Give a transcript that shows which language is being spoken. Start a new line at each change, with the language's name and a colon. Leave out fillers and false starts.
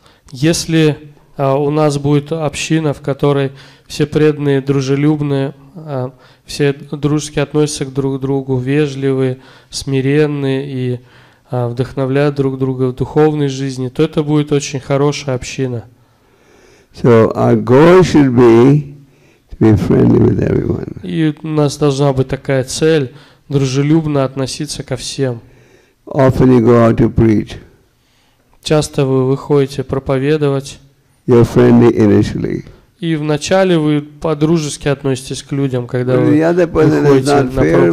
Russian: Если у нас будет община, в которой все преданные, дружелюбные, все дружески относятся друг к другу, вежливые, смиренные и вдохновляют друг друга в духовной жизни, то это будет очень хорошая община.
English: So our goal should be to be friendly with everyone.
Russian: И у нас должна быть такая цель – дружелюбно относиться ко всем.
English: Often you go out to preach.
Russian: Часто вы выходите проповедовать.
English: You're friendly initially.
Russian: И вначале вы по-дружески относитесь к людям, когда вы выходите на